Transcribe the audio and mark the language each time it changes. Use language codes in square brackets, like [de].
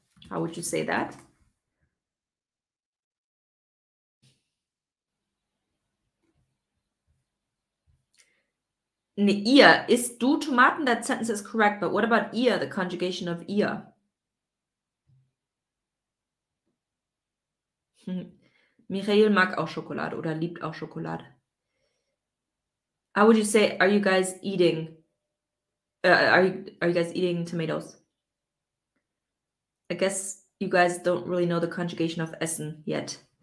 [en] How would you say that? [de] Nee, ihr, isst du Tomaten? [en] That sentence is correct, but what about ihr, the conjugation of ihr? [de] Michael mag auch Schokolade oder liebt auch Schokolade. [en] How would you say, are you guys eating? Are you guys eating tomatoes? I guess you guys don't really know the conjugation of essen yet.